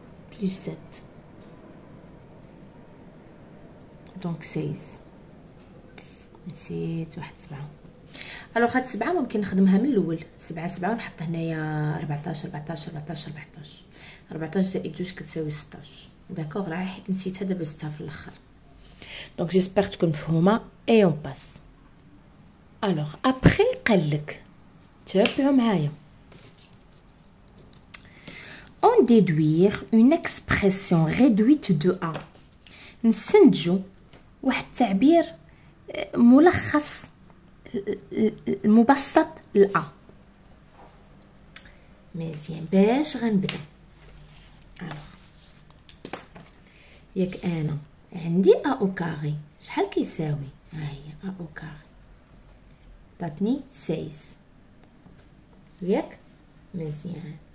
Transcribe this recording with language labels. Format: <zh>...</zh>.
<ar>Plus 7 دونك 16 نسيت واحد 7. الوغ هاد 7 ممكن نخدمها من الاول 7 7 ونحط هنايا 14 14 14 14 14 زائد 2 كتساوي 16. داكوغ راه نسيتها دابا زدتها في الاخر. دونك جيسبيغ تكون مفهومه اي اون باس.</ar> <fr>الوغ ابخي قالك تابعوا معايا On déduire une expression réduite de A.</fr> <ar>نسنجو واحد التعبير ملخص مبسط ل A. مزيان باش غنبدا. ياك انا عندي A او كاري شحال كيساوي؟ ها هي A او كاري عطاتني 16 ياك مزيان.</ar>